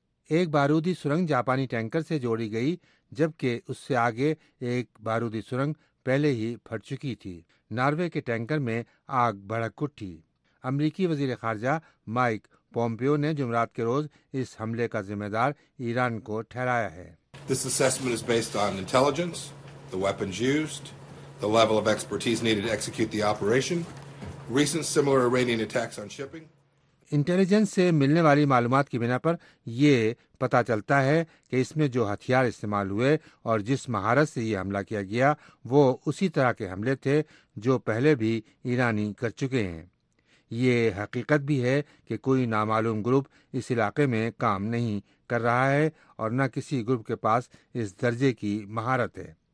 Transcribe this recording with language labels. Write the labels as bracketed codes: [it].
[ur] ایک بارودی سرنگ جاپانی ٹینکر سے جوڑی گئی جبکہ اس سے آگے ایک بارودی سرنگ پہلے ہی پھٹ چکی تھی. ناروے کے ٹینکر میں آگ بھڑک اٹھی. امریکی وزیر خارجہ مائیک پومپیو نے جمعرات کے روز اس حملے کا ذمہ دار ایران کو ٹھہرایا ہے. [en] This assessment is based on intelligence, the weapons used, the level of expertise needed to execute the operation, recent similar Iranian attacks on shipping. [ur] Intelligence سے ملنے والی معلومات کی بنا پر یہ پتا چلتا ہے کہ اس میں جو ہتھیار استعمال ہوئے اور جس مہارت سے یہ حملہ کیا گیا وہ اسی طرح کے حملے تھے جو پہلے بھی ایرانی کر چکے ہیں. یہ حقیقت بھی ہے کہ کوئی نامعلوم گروپ اس علاقے میں کام نہیں کر رہا ہے اور نہ کسی گروپ کے پاس اس درجے کی مہارت ہے.